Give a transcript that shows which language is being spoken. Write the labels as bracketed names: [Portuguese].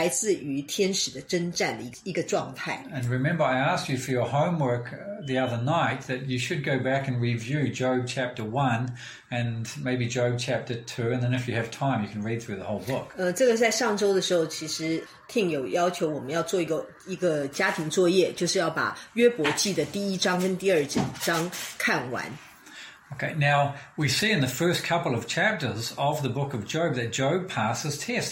[Chinese] 我们也提到过约伯，他就是另外一种例子，就是他经历了非常非常多的测试，然后这些测试其实是来自于天使的征战的一个状态。 [English] And remember, I asked you for your homework the other night that you should go back and review Job chapter 1 and maybe Job chapter 2, and then if you have time, you can read through the whole book. [Chinese] 这个在上周的时候其实 听友要求我们要做一个家庭作业，就是要把约伯记的第一章跟第二章看完。 [English] Okay, now we see in the first couple of chapters of the book of Job that Job passes test.